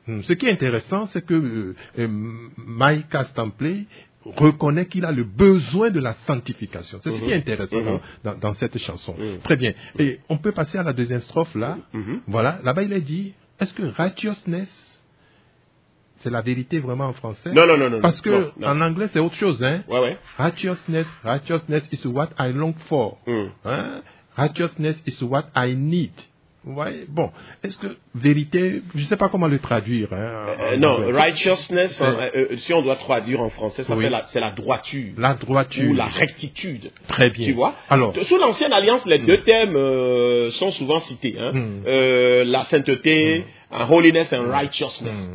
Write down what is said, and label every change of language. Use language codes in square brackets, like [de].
[fr] Ce qui est intéressant, c'est que Mike Stampley reconnaît qu'il a le besoin de la sanctification. C'est ce qui est intéressant dans cette chanson. Très bien. Et on peut passer à la deuxième strophe, là. Voilà, là-bas, il est dit, est-ce que righteousness, c'est la vérité vraiment en français? Non. Parce que en anglais, c'est autre chose, hein. Ouais, ouais. [en] Righteousness is what I long for. Righteousness is what I need. [fr] Ouais. Bon, est-ce que vérité, je ne sais pas comment le traduire. Righteousness, si on doit traduire en français, ça s'appelle c'est la droiture. La droiture. Ou la rectitude. Très bien. Tu vois? Alors, sous l'ancienne alliance, les deux thèmes sont souvent cités. La sainteté, un holiness and righteousness.